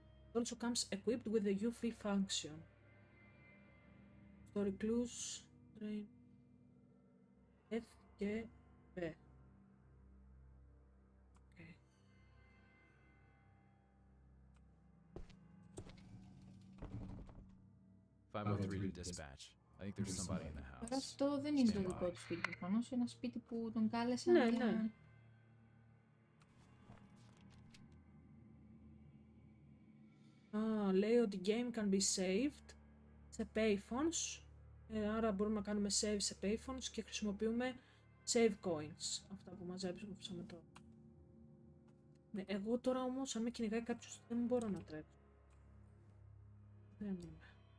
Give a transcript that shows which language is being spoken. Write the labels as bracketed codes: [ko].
[en] It also comes equipped with the UV function. Το recluse, train, F και B. Okay. 503 to dispatch. I think there's somebody in the house. [el] Αλλά αυτό δεν είναι το δικό του σπίτι, προφανώς. Ένα σπίτι που τον κάλεσαν. Ναι, ναι. Λέει ότι [en] game can be saved [el] σε payphones. Άρα μπορούμε να κάνουμε save σε payphones και χρησιμοποιούμε save coins, αυτά που μαζέψαμε τώρα. Ναι, εγώ τώρα όμως, αν με κυνηγάει κάποιος, δεν μπορώ να τρέξω. Δεν είμαι.